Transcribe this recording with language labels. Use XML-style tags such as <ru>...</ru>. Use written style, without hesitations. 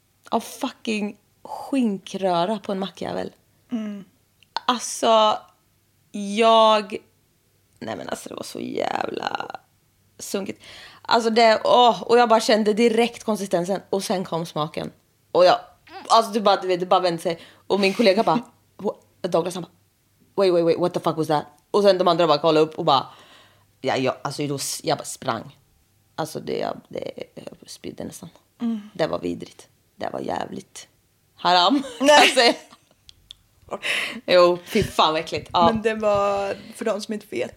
<sv>Av fucking skinkröra på en mackjävel. Mm. Alltså, jag... Nej men alltså, det var så jävla sunkigt. Alltså det, åh, och jag bara kände direkt konsistensen. Och sen kom smaken. Och jag, alltså typ bara, du vet, det bara vände sig. Och min kollega bara, Douglas, han bara,</sv> <en>wait, what the fuck was that?</en> <sv>Och sen de andra bara kollade upp och bara, ja, jag, alltså då, jag bara sprang. Alltså det jag spydde nästan. Mm. Det var vidrigt. Det var jävligt haram. Nej. Jo, fy fan verkligt. Ja. Men det var, för de som inte vet.</sv>